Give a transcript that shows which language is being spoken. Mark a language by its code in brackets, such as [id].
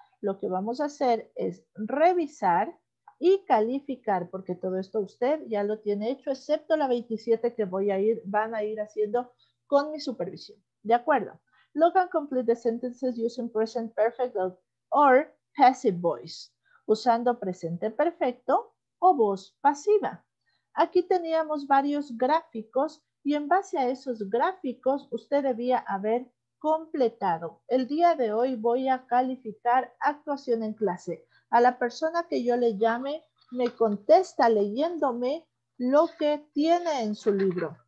[es] Lo que vamos a hacer es revisar y calificar, porque todo esto usted ya lo tiene hecho, excepto la 27 que van a ir haciendo con mi supervisión. ¿De acuerdo? [en] Look and complete the sentences using present perfect or passive voice. [es] Usando presente perfecto o voz pasiva. Aquí teníamos varios gráficos y en base a esos gráficos usted debía haber completado. El día de hoy voy a calificar actuación en clase. A la persona que yo le llame me contesta leyéndome lo que tiene en su libro.